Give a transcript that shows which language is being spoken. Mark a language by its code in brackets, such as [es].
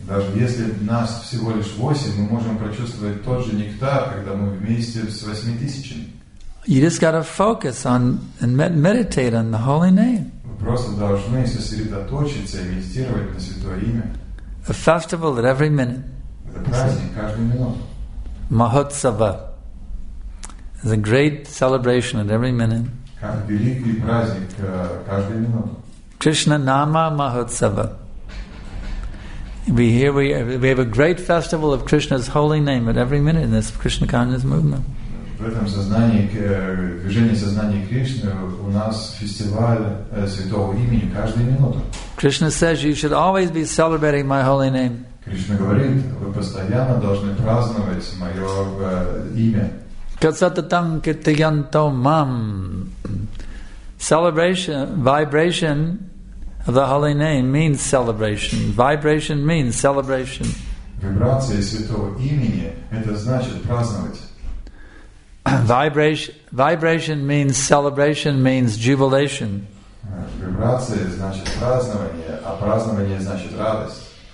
[ru] Даже если нас всего лишь 8, мы можем прочувствовать тот же нектар, когда мы вместе с 8,000. [en] You just got to focus on and meditate on the holy name. [ru] Вы просто должны сосредоточиться и медитировать на святое имя. [en] A festival at every minute. [ru] Это праздник каждую минуту. [en] Mahotsava. It's a great celebration at every minute. [ru] Как великий праздник каждую минуту. [en] Krishna Nama Mahotsava. We have a great festival of Krishna's holy name at every minute in this Krishna consciousness movement. [ru] В этом сознании, движении сознания Кришны у нас фестиваль святого имени каждую минуту. [en] Krishna says you should always be celebrating my holy name. [ru] Кришна говорит, вы постоянно должны праздновать мое имя. [sa] Kasatatam kityanto mam. [en] Celebration, vibration of the holy name means celebration. Vibration means celebration. [ru] Вибрация святого имени – это значит праздновать. [en] Vibration means celebration, means jubilation. [ru] Вибрация – значит празднование, а празднование – значит радость.